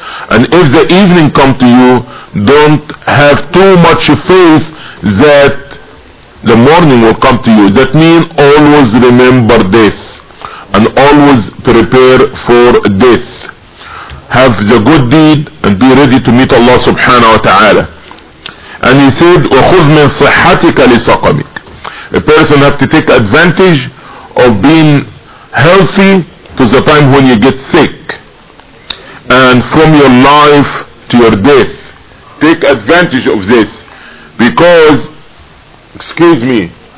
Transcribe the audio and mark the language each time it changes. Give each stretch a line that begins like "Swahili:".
English: And if the evening come to you, don't have too much faith that the morning will come to you. That means always remember death, and always prepare for death. Have the good deed and be ready to meet Allah subhanahu wa ta'ala. And he said,
Arabic: وَخُذْ مِنْ صِحَّتِكَ لِسَقَمِكَ.
English: A person have to take advantage of being healthy to the time when you get sick, and from your life to your death. Take advantage of this, because excuse me